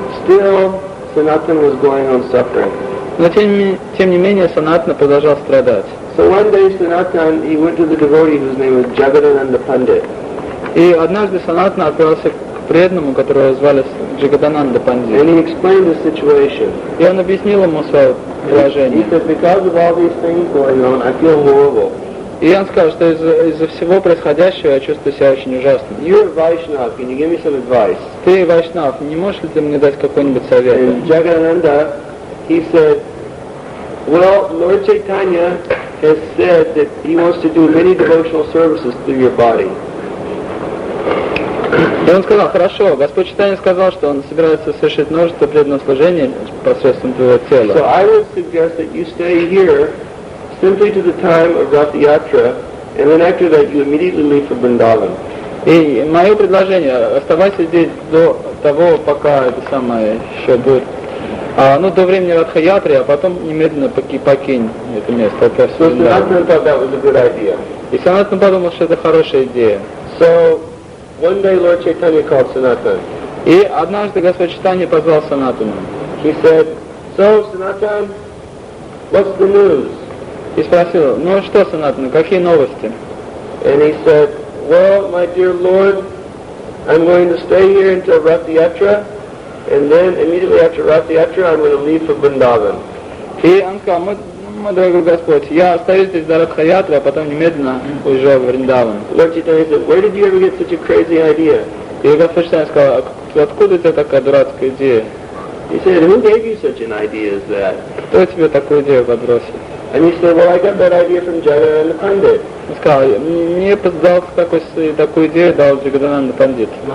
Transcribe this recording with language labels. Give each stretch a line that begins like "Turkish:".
English: Still, Sanatana was going on suffering.
Russian: Но тем не менее, Санатана продолжал страдать.
English: So one day Sanatana, he went to the devotee whose name was Jagadananda Pandit.
Russian: И однажды Санатана отправился к преданному, которого звали Джагадананда Пандит.
English: And he explained the situation.
Russian: И он объяснил ему свое положение.
English: He said, because of all these things going on, I feel horrible.
Russian: И он сказал, что из-за всего происходящего я чувствую себя очень ужасно.
English: You're Vaishnav, can you give me some advice?
Russian: Ты Вайшнав, не можешь ли ты мне дать какой-нибудь совет?
English: And Jagananda, he said, well, Lord Chaitanya has said that he wants to do many devotional services through your body.
Russian: И он сказал, хорошо, Господь Чайтанья сказал, что он собирается совершить множество преданного служения посредством твоего тела.
English: So I would suggest that you stay here simply to the time of Rath Yatra, and then after that you immediately leave for Vrindavan.
Russian: И мое предложение, оставайся здесь до того, пока это самое еще будет, ну, до времени Ратха Ятры, а потом немедленно покинь это место.
English: So Sanatana thought that was a good idea.
Russian: И Санатана подумал, что это хорошая идея.
English: So, one day Lord Chaitanya called Sanatana.
Russian: И однажды Господь Чайтанья позвал Санатану.
English: He said, so Sanatana, what's the news?
Russian: И спросил, ну что, Санатана, какие новости?
English: And he said, well, my dear Lord, I'm going to stay here until Rath Yatra, and then immediately after Rath Yatra, I'm going to leave for Vrindavan.
Russian: И он сказал, мой дорогой Господь, я остаюсь здесь до Ратха Ятры, а потом немедленно уезжу в Вриндаван.
English: Lord Chaitanya said, where did you ever get such a crazy idea?
Russian: И Господь Чайтанья сказал, откуда у тебя такая дурацкая идея?
English: He said, who gave you such an idea as that?
Russian: Кто тебе такую идею подбросил?
English: And he said, well, I got that idea from Jagadananda Pandit.
Russian: Он сказал, мне дал такую идею, дал Джагадананда Пандит.